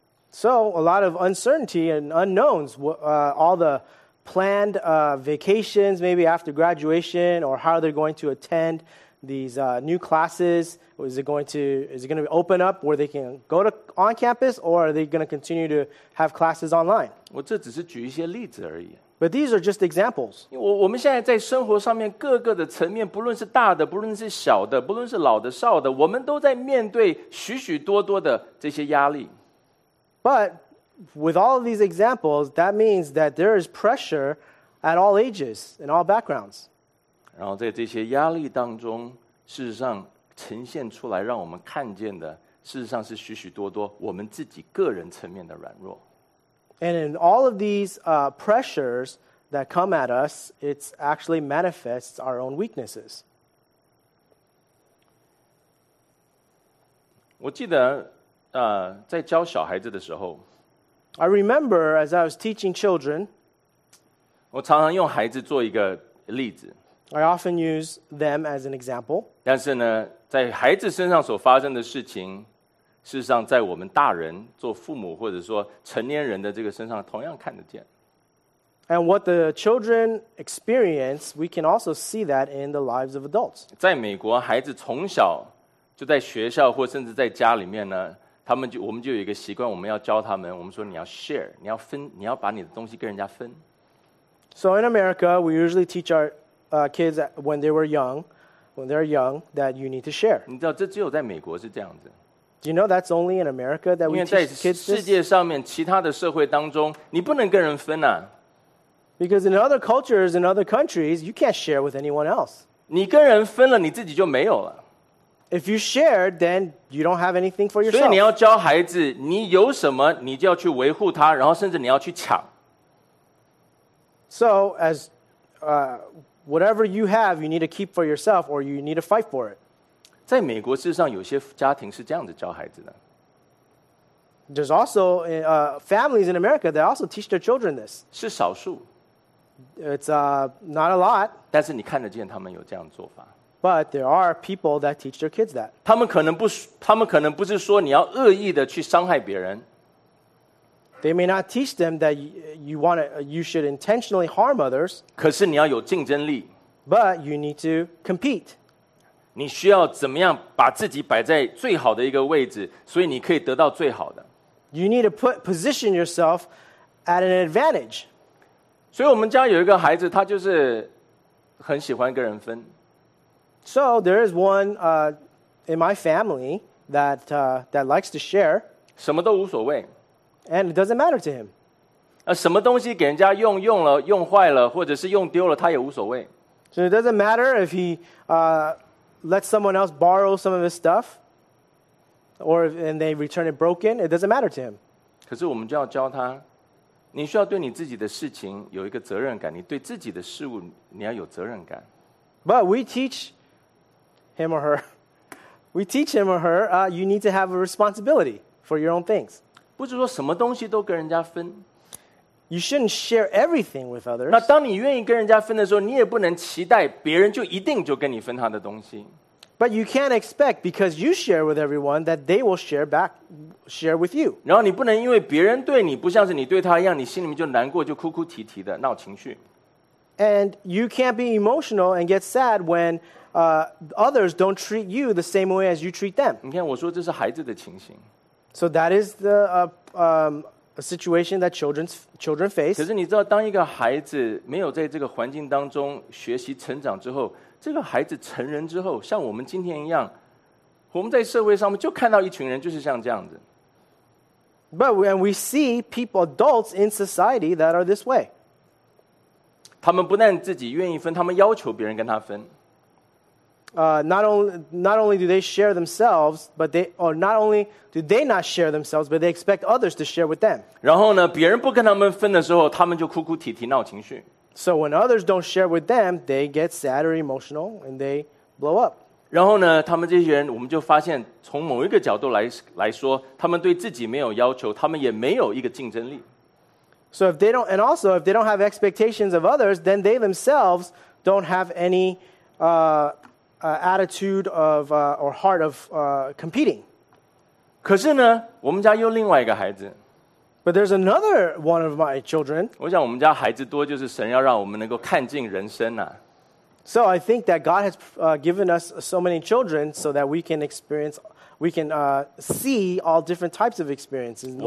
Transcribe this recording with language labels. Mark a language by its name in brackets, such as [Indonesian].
[English] So a lot of uncertainty and unknowns, all the planned vacations maybe after graduation, or how they're going to attend these new classes. Is it going to open up where they can go to on campus, or are they going to continue to have classes online? [Chinese] 我这只是举一些例子而已。 [English] But these are just examples. [Chinese] 我们现在在生活上面各个的层面，不论是大的，不论是小的，不论是老的少的，我们都在面对许许多多的这些压力。 [English] But with all of these examples, that means that there is pressure at all ages and all backgrounds. [Chinese] 然后在这些压力当中，事实上呈现出来让我们看见的，事实上是许许多多我们自己个人层面的软弱。 [English] And in all of these pressures that come at us, it actually manifests our own weaknesses. [Chinese] 我记得在教小孩子的时候， [English] I remember as I was teaching children, [Chinese] 我常常用孩子做一个例子。 [English] I often use them as an example. [Chinese] 但是呢，在孩子身上所发生的事情，事实上在我们大人做父母或者说成年人的这个身上同样看得见。 [English] And what the children experience, we can also see that in the lives of adults. [Chinese] 在美国，孩子从小就在学校或甚至在家里面呢，我们就有一个习惯，我们要教他们，我们说你要 share, 你要分，你要把你的东西跟人家分。 [English] So in America, we usually teach our kids when they were young, that you need to share. [Chinese] 你知道这只有在美国是这样子。 [English] Do you know that's only in America that we teach kids this? [Chinese] 因为在世界上面其他的社会当中，你不能跟人分啊。 [English] Because in other cultures, in other countries, you can't share with anyone else. [Chinese] 你跟人分了，你自己就没有了。 [English] If you share, then you don't have anything for yourself. [Chinese] 所以你要教孩子，你有什么，你就要去维护它，然后甚至你要去抢。 [English] So as whatever you have, you need to keep for yourself, or you need to fight for it. [Chinese] 在美国，事实上有些家庭是这样子教孩子的。 [English] There's also families in America that also teach their children this. [Chinese] 是少数。 [English] It's not a lot. [Chinese] 但是你看得见他们有这样做法。 [English] But there are people that teach their kids that. [Chinese] 他们可能不是说你要恶意的去伤害别人。 [English] They may not teach them that you should intentionally harm others. [Chinese] 可是你要有竞争力。 [English] But you need to compete. [Chinese] 你需要怎么样把自己摆在最好的一个位置，所以你可以得到最好的。 [English] You need to position yourself at an advantage. [Chinese] 所以我们家有一个孩子，他就是很喜欢跟人分。 [English] So there is one in my family that likes to share. [Chinese] 什么都无所谓。 [English] And it doesn't matter to him. [Chinese] 什么东西给人家用了用坏了，或者是用丢了，他也无所谓。 [English] So it doesn't matter if he let someone else borrow some of his stuff, and they return it broken. It doesn't matter to him. [Chinese] 可是我们就要教他，你需要对你自己的事情有一个责任感，你对自己的事物你要有责任感。 [English] But we teach him or her, you need to have a responsibility for your own things. [Chinese] 不是说什么东西都跟人家分。 [English] You shouldn't share everything with others. [Chinese] 那当你愿意跟人家分的时候，你也不能期待别人就一定就跟你分他的东西。 [English] But you can't expect because you share with everyone that they will share with you. [Chinese] 然后你不能因为别人对你不像是你对他一样，你心里面就难过，就哭哭啼啼的闹情绪。 [English] And you can't be emotional and get sad when others don't treat you the same way as you treat them. [Chinese] 你看我说这是孩子的情形。 [English] So that is the a situation that children face. [Chinese] 可是你知道，当一个孩子没有在这个环境当中学习成长之后，这个孩子成人之后，像我们今天一样，我们在社会上面就看到一群人，就是像这样子。 [English] But when we see people, adults in society that are this way, [Chinese] 他们不但自己愿意分，他们要求别人跟他分。 [English] Not only do they share themselves, but they, or not only do they not share themselves, but they expect others to share with them. [Chinese] 然后呢，别人不跟他们分的时候，他们就哭哭啼啼闹情绪。 [English] So when others don't share with them, they get sad or emotional and they blow up. [Chinese] 然后呢，他们这些人，我们就发现，从某一个角度来说，他们对自己没有要求，他们也没有一个竞争力。 [English] So if they don't, and also if they don't have expectations of others, then they themselves don't have any, attitude of, or heart of, competing. [Chinese] 可是呢，我们家又另外一个孩子。 [English] But there's another one of my children. [Chinese] 我想我们家孩子多，就是神要让我们能够看尽人生啊。 [English] So I think that God has given us so many children so that we can experience, we can see all different types of experiences in life.